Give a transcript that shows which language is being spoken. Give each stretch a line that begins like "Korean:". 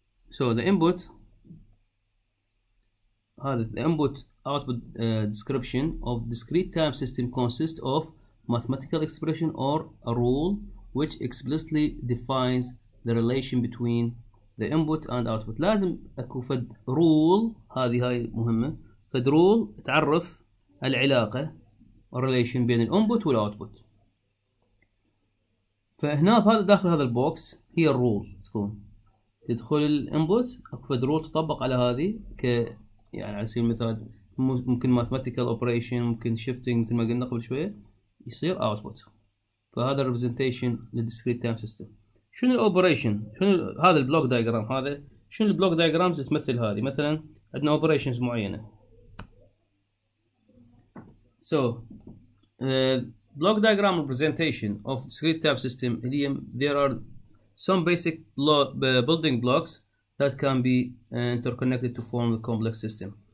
English: So the input, the input output description of discrete time system consists of mathematical expression or a rule which explicitly defines the relation between the input and output.
Arabic: لازم اكو فد rule, هذه هاي مهمة, فد rule تعرف العلاقة relation بين الانبوت والاوتبوت. فهنا بهذا داخل هذا البوكس هي الرول, تكون تدخل الانبوت اكو فد rule تطبق على هذه, ك يعني على سبيل المثال ممكن
English: mathematical operation,
Arabic: ممكن shifting مثل ما قلنا قبل شوية, يصير output. فهذا representation للdiscrete time system. شنو الoperation, شنو هذا البلوك دايجرام, هذا شنو البلوك دايجرام تمثل هذه. مثلا عندنا operations معينة,
English: so block diagram representation of discrete time system, there are some basic building blocks that can be interconnected to form the complex system.